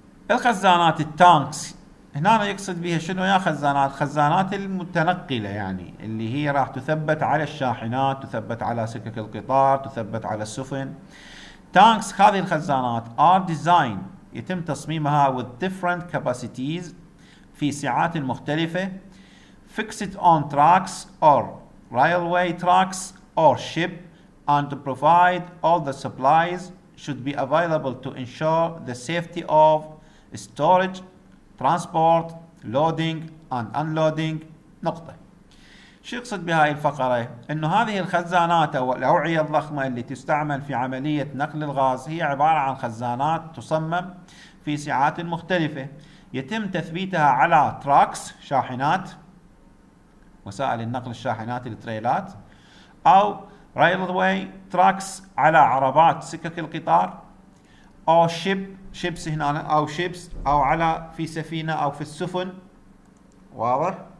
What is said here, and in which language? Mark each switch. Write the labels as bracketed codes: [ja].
[ar] الخزانات التانكس هنا أنا يقصد بها شنو يا خزانات؟ خزانات المتنقلة، يعني اللي هي راح تثبت على الشاحنات، تثبت على سكك القطار، تثبت على السفن. تانكس هذه الخزانات [en] are designed، [ar] يتم تصميمها [en] with different capacities [ar] في سعات مختلفة. [en] Fixed on tracks or railway tracks or ship and to provide all the supplies should be available to ensure the safety of storage, transport, loading and unloading. [ar] نقطة. شو يقصد بهاي الفقرة؟ انه هذه الخزانات او الأوعية الضخمة اللي تستعمل في عملية نقل الغاز هي عبارة عن خزانات تصمم في سعات مختلفة، يتم تثبيتها على tracks شاحنات، وسائل النقل الشاحنات التريلات، أو railway tracks على عربات سكك القطار، أو ships هنا، أو ships أو على في سفينة أو في السفن، واضح.